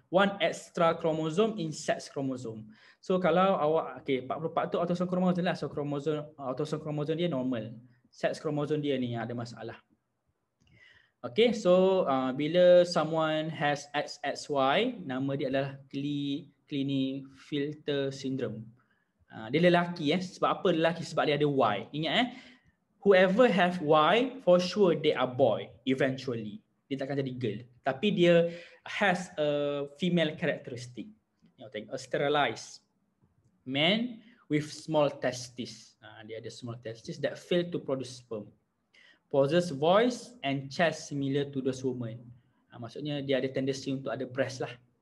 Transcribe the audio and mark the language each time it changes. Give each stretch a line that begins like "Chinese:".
English: One extra chromosome in sex chromosome. So
Malay: kalau awak,
English: okay, 44 tu autosome chromosome lah. So chromosome, autosome chromosome dia normal.
Malay: Sex chromosome dia ni ada masalah. Okay, so bila
English: someone has XXY,
Malay: nama dia adalah Klinefelter syndrome. Dia lelaki Sebab apa lelaki? Sebab dia ada Y.
English: Ingat whoever have Y, for sure they are boy eventually.
Malay: Dia takkan jadi girl. Tapi dia
English: has a female characteristic. You think, a sterilized man with small testes.
Malay: Dia ada
English: small testes that fail to produce sperm. Possess voice and chest similar to those women.
Malay: Maksudnya dia ada tendency untuk ada breast lah.